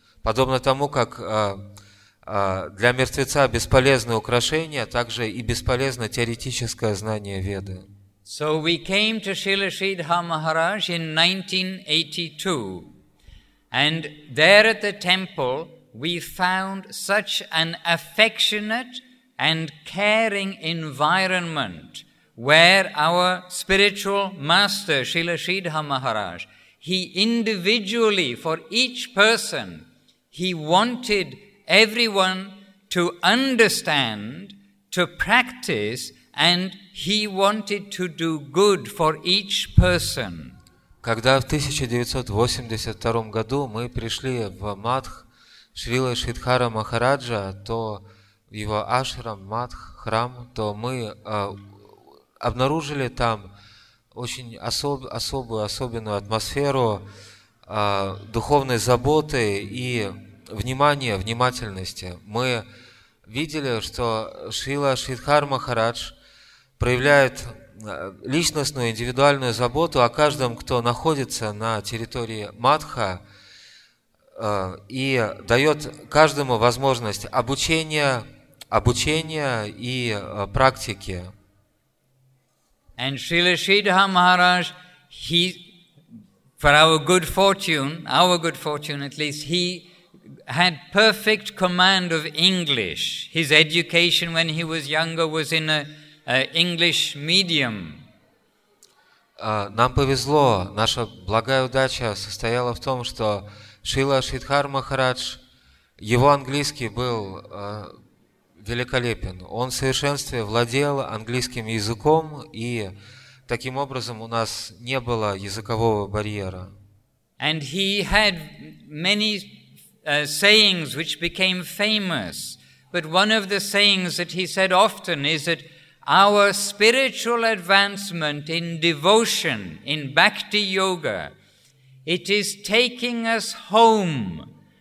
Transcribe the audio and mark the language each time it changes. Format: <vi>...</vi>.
<ru>Подобно тому, как для мертвеца бесполезны украшения, также и бесполезно теоретическое знание Веды.</ru> <en>So we came to Srila Sridhara Maharaj in 1982, and there at the temple we found such an affectionate and caring environment where our spiritual master, Srila Sridhara Maharaj, he individually, for each person, he wanted everyone to understand, to practice, and he wanted to do good for each person.</en> <ru>Когда в 1982 году мы пришли в Матх Шрилы Шридхара Махараджа, то его ашрам, Матх, храм, то мы обнаружили там очень особенную атмосферу духовной заботы и внимания, внимательности. Мы видели, что Шрила Шридхар Махарадж проявляет личностную, индивидуальную заботу о каждом, кто находится на территории Матха, и дает каждому возможность обучения, обучения и практики.</ru> <en>And Srila Sridhara Maharaj, he, for our good fortune at least, he had perfect command of English. His education when he was younger was in a English medium.</en> <ru>Нам повезло, наша благая удача состояла в том, что Шрила Шридхар Махарадж, его английский был великолепен. Он в совершенстве владел английским языком, и таким образом у нас не было языкового барьера.</ru> <en>And he had many sayings which became famous. But one of the sayings that he said often is that our spiritual advancement in devotion, in bhakti yoga, it is taking us home.</en>